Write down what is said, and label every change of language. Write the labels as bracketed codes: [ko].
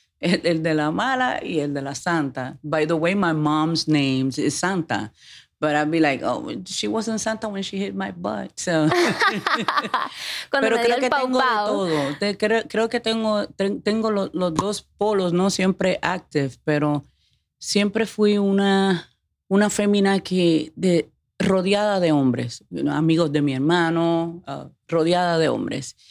[es] El de la mala y el de la santa. [en] By the way, my mom's name is Santa. But I'd be like, oh, she wasn't Santa when she hit my butt. So. [es] Pero creo que, pau, tengo pau. De todo. Creo que tengo los dos polos, no siempre active, pero siempre fui una fémina que rodeada de hombres, amigos de mi hermano, rodeada de hombres.